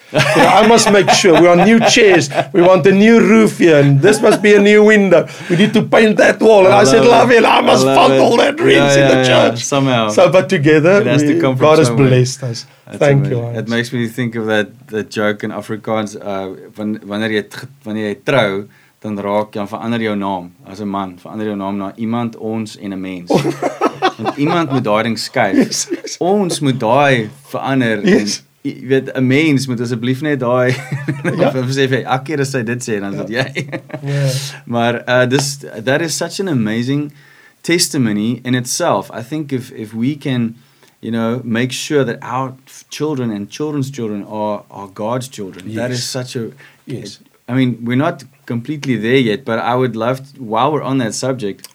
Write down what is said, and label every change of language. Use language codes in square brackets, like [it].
[en] Yeah, I must make sure we want new chairs. We want a new roof here, and this must be a new window. We need to paint that wall. And I said, love it. I must fund all that dreams in the church. Yeah, somehow. So, but together, God has blessed us. Thank you. It makes me think of that joke in Afrikaans. [af] Wanneer jy trou, dan raak jy, verander jou naam, as 'n man, verander jou naam na iemand, ons en 'n mens. want iemand moet daai ding skuif. Yes. Ons moet daai verander. [en] Yes. [af] Jy weet, 'n mens moet asseblief net daai sê vir elke keer as hy dit sê, dan is dit jy. [en] Yeah. [af] Maar dis [en] that is such an amazing testimony in itself. I think if we can, you know, make sure that our children and children's children are God's children. Yes. That is such a yes. I mean, we're not completely there yet, but I would love to, while we're on that subject,